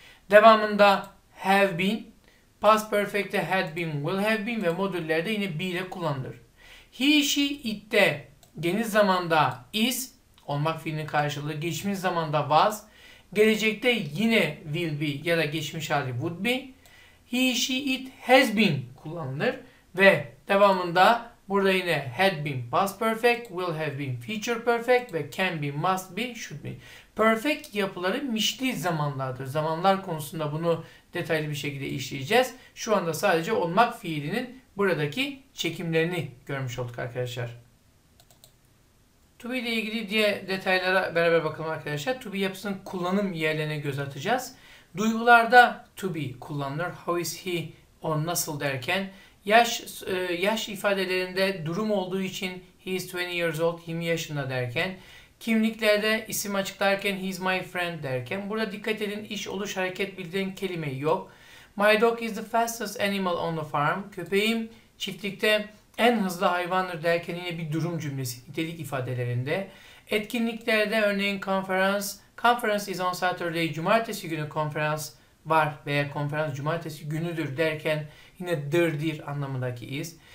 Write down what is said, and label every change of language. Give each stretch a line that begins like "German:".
Turkish: Devamında have been, past perfect'te had been, will have been ve modüllerde yine be ile kullanılır. He, she, it'te geniş zamanda is, olmak fiilinin karşılığı, geçmiş zamanda was, gelecekte yine will be ya da geçmiş hali would be. He, she, it has been kullanılır. Ve devamında burada yine had been past perfect, will have been future perfect ve can be, must be, should be. Perfect yapıları mişli zamanlardır. Zamanlar konusunda bunu detaylı bir şekilde işleyeceğiz. Şu anda sadece olmak fiilinin buradaki çekimlerini görmüş olduk arkadaşlar. To be ile ilgili diğer detaylara beraber bakalım arkadaşlar. To be yapısının kullanım yerlerine göz atacağız. Duygularda to be kullanılır.
English: How is he?
Turkish: O nasıl derken. Yaş ifadelerinde durum olduğu için
English: he is 20 years old,
Turkish: 20 yaşında derken. Kimliklerde isim açıklarken
English: he is my friend
Turkish: derken. Burada dikkat edin, iş, oluş, hareket bildiren kelime yok.
English: My dog is the fastest animal on the farm.
Turkish: Köpeğim çiftlikte en hızlı hayvandır derken yine bir durum cümlesi nitelik ifadelerinde. Etkinliklerde örneğin
English: conference is on Saturday,
Turkish: cumartesi günü konferans var veya konferans cumartesi günüdür derken yine dır anlamındaki is.